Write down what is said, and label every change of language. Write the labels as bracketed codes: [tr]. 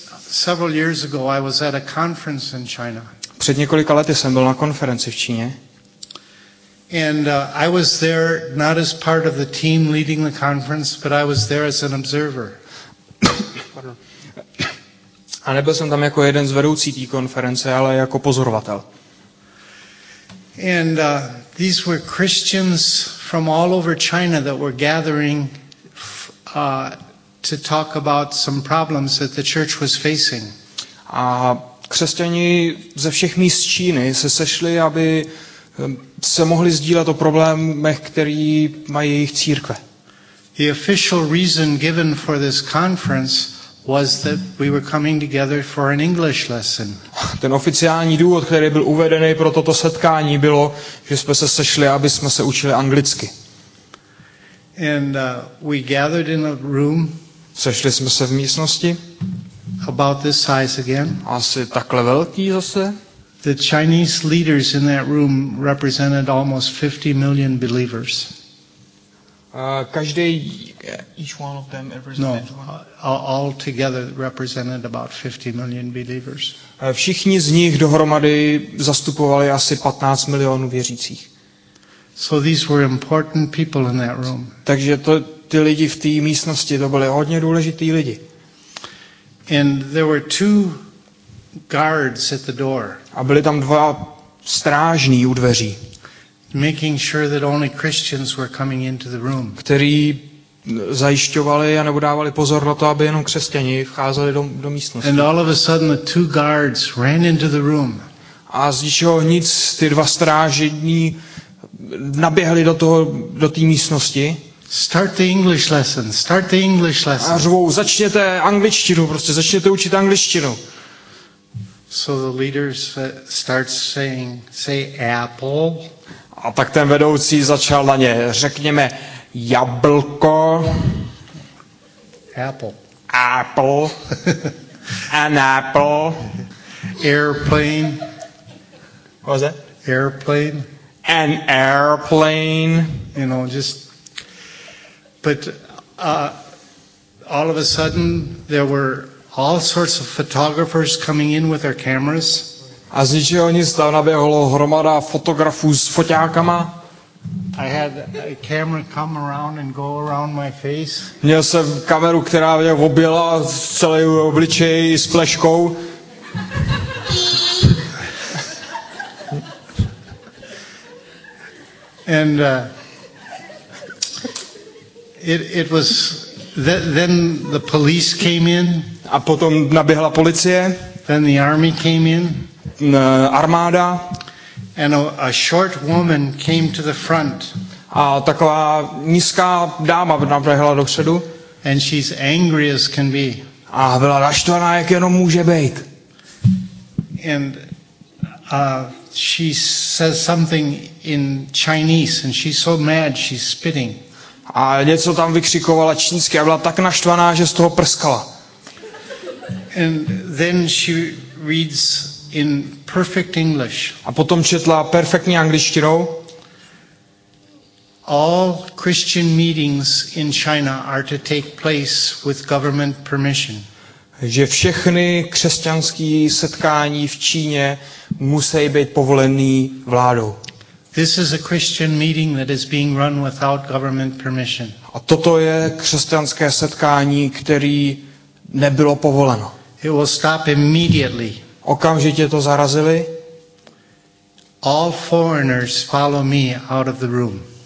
[en] Several years ago I was at a conference in China. [cs] Před několika lety jsem byl na konferenci v Číně. [en] And I was there not as part of the team leading the conference, but I was there as an observer. [cs] A nebyl jsem tam jako jeden z vedoucí té konference, ale jako pozorovatel. [en] And These were Christians from all over China that were gathering to talk about some problems that the church was facing. [cs] A křesťani ze všech míst Číny se sešli, aby se mohli sdílet o problémech, který mají jejich církve. [en] The official reason given for this conference was that we were coming together for an English lesson. [cs] Ten oficiální důvod, který byl uvedený pro toto setkání, bylo, že jsme se sešli, aby jsme se učili anglicky. [en] And we gathered in a room. [cs] Sešli jsme se v místnosti. [en] About this size again. [cs] Asi takhle velký zase. [en] The Chinese leaders in that room represented almost 50 million believers. [cs] Každý, [en] each one of them represented. No, all together represented about 50 million believers. [cs] Všichni z nich dohromady zastupovali asi 15 milionů věřících. [en] So these were important people in that room. [cs] Takže to ty lidi v té místnosti, to byli hodně důležití lidi. [en] And there were two guards at the door. [cs] A byli tam dva strážní u dveří. [en] Making sure that only Christians were coming into the room. [cs] Kteří zajišťovali a nebo dávali pozor na to, aby jenom křesťani vcházeli do místnosti. [en] And all of a sudden the two guards ran into the room. [cs] A z ničeho nic ty dva strážní naběhli do toho do té místnosti. [en] Start the English lesson. Start the English lesson. [cs] A řvou, začněte angličtinu, prostě začněte učit angličtinu. [en] So the leader starts saying, say apple. [cs] A tak ten vedoucí začal na ně, řekněme, jablko. [en] Apple. Apple. An apple. Airplane. What was that? Airplane. An airplane. You know, just... But all of a sudden, there were all sorts of photographers coming in with their cameras. [cs] A z ničeho nic tam naběhlo hromada fotografů s foťákama. [en] I had a camera come around and go around my face. [cs] Měl jsem kameru, která mě objela celý obličej s pleškou. [en] And it was then the police came in. [cs] A potom naběhla policie. [en] Then the army came in. [cs] Armáda. [en] And a short woman came to the front. [cs] A taková nízká dáma naběhla dopředu. [en] And she's angry as can be. [cs] A byla naštvaná, jak jenom může být. [en] And she says something in Chinese, and she's so mad, she's spitting. [cs] A něco tam vykřikovala čínsky a byla tak naštvaná, že z toho prskala. [en] And then she reads in perfect English. [cs] A potom četla perfektní angličtinou. [en] All Christian meetings in China are to take place with government permission. [cs] Že všechny křesťanské setkání v Číně musí být povolený vládou. [en] This is a Christian meeting that is being run without government permission. [cs] A toto je křesťanské setkání, které nebylo povoleno. [en] It will stop immediately. [cs] Okamžitě to zarazili. [en] All foreigners follow me out of the room.